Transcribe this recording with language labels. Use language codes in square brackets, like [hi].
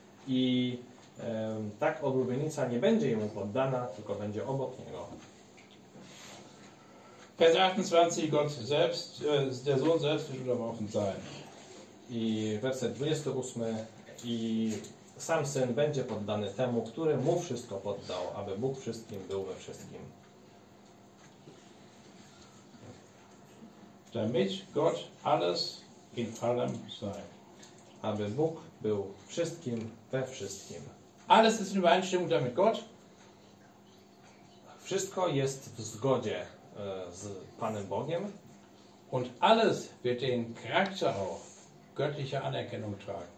[pl] I tak oblubienica nie będzie jemu poddana, tylko będzie obok niego. [de] Vers 28, Gott selbst, der Sohn selbst wird unterworfen sein. [pl] I werset 28, i sam Syn będzie poddany temu, który mu wszystko poddał, aby Bóg wszystkim był we wszystkim. [de] Damit Gott alles in allem sei. [pl] Aby Bóg był wszystkim we wszystkim. [de] Alles ist in Übereinstimmung damit Gott. [pl] Wszystko jest w zgodzie z Panem Bogiem. [de] Und alles wird den Charakter auch göttlicher Anerkennung tragen.